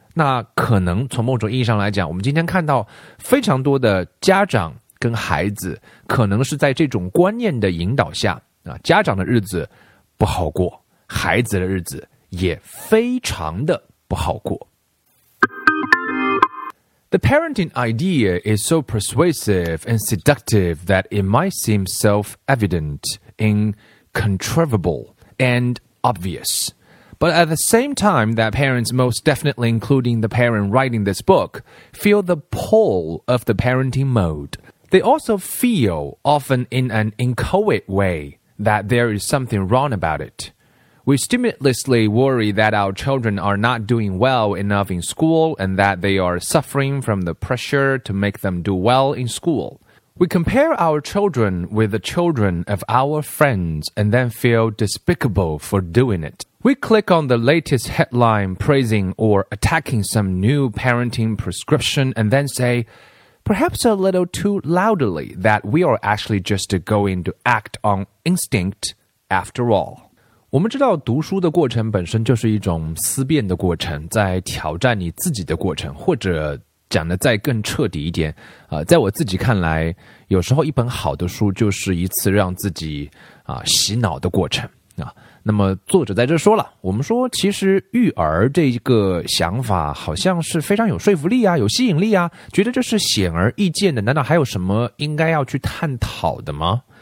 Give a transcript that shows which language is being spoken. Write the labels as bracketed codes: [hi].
[zh] 那可能从某种意义上来讲，我们今天看到非常多的家长跟孩子可能是在这种观念的引导下家长的日子不好过，孩子的日子也非常的不好过。 [en] The parenting idea is so persuasive and seductive that it might seem self-evident, incontrovertible, and obvious. But at the same time that parents, most definitely including the parent writing this book, feel the pull of the parenting mode, they also feel, often in an inchoate way, that there is something wrong about it. We stimulusly worry that our children are not doing well enough in school and that they are suffering from the pressure to make them do well in school. We compare our children with the children of our friends and then feel despicable for doing it. We click on the latest headline praising or attacking some new parenting prescription and then say, perhaps a little too loudly, that we are actually just going to act on instinct after all. [zh] 我们知道读书的过程本身就是一种思辨的过程，在挑战你自己的过程，或者讲得再更彻底一点在我自己看来，有时候一本好的书就是一次让自己洗脑的过程那么作者在这说了，我们说其实育儿这个想法好像是非常有说服力啊，有吸引力啊，觉得这是显而易见的，难道还有什么应该要去探讨的吗？